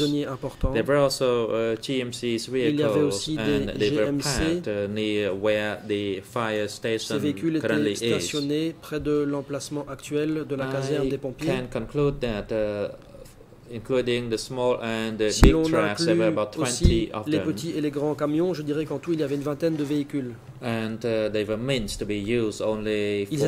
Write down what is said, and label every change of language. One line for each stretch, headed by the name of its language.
English: There were also GMC's vehicles, and they were parked near where the fire station currently is.
French: Près de l'emplacement actuel de la caserne des pompiers.
English: I can conclude that, including the small and the big trucks, there were about 20 of them.
French: Les petits et les grands camions, je dirais qu'en tout il y avait une vingtaine de véhicules.
English: And they were meant to be used only for